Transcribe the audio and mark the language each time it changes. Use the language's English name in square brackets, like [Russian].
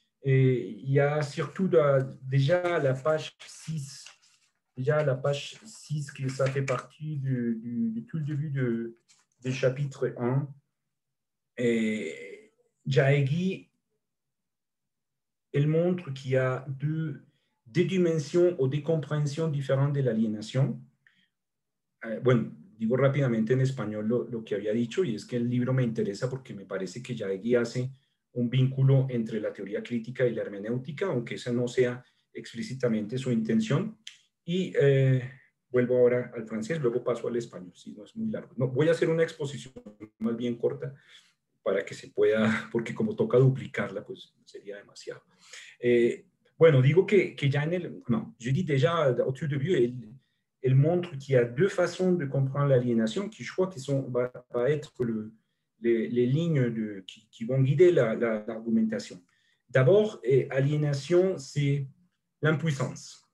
[French] Et il y a surtout déjà la page 6, déjà la page 6, que ça fait partie du tout le début du chapitre 1. Et Jaegi, elle montre qu'il y a deux dimensions ou des compréhensions différentes de l'aliénation. [Spanish] Bueno, digo rápidamente en español lo que había dicho, y es que el libro me interesa porque me parece que Jaegi hace un vínculo entre la teoría crítica y la hermenéutica, aunque esa no sea explícitamente su intención. Y vuelvo ahora al francés, luego paso al español, si no es muy largo. No, voy a hacer una exposición más bien corta para que se pueda, porque como toca duplicarla, pues sería demasiado. Bueno, digo que ya en el. [French] No, je dis déjà au tout début, elle montre qu'il y a deux façons de comprendre l'aliénation qui, je crois, va être les lignes qui vont guider l'argumentation. D'abord, aliénation, c'est l'impuissance.